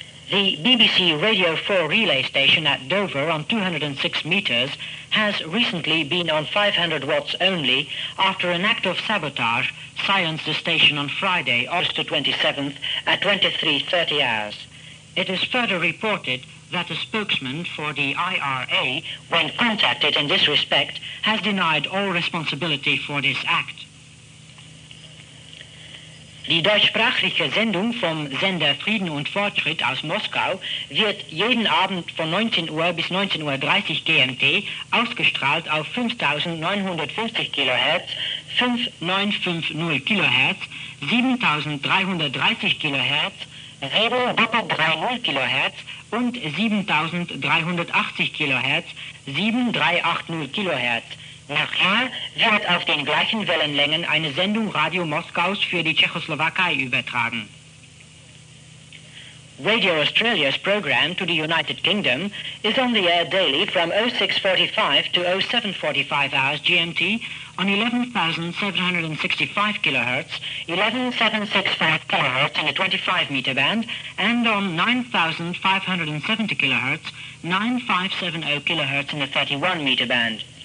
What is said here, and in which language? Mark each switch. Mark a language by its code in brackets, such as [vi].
[en] The BBC Radio 4 relay station at Dover on 206 meters has recently been on 500 watts only after an act of sabotage silenced the station on Friday, August 27th at 23:30 hours. It is further reported that a spokesman for the IRA, when contacted in this respect, has denied all responsibility for this act. [de] Die deutschsprachige Sendung vom Sender Frieden und Fortschritt aus Moskau wird jeden Abend von 19 Uhr bis 19.30 Uhr GMT ausgestrahlt auf 5950 kHz, 5950 kHz, 7330 kHz, Redo Doppel 30 kHz und 7380 kHz, 7380 kHz. Nachher wird auf den gleichen Wellenlängen eine Sendung Radio Moskaus für die Tschechoslowakei übertragen. [en] Radio Australia's program to the United Kingdom is on the air daily from 06:45 to 07:45 hours GMT on 11,765 kHz, 11,765 kHz in the 25-meter band, and on 9,570 kHz, 9,570 kHz in the 31-meter band.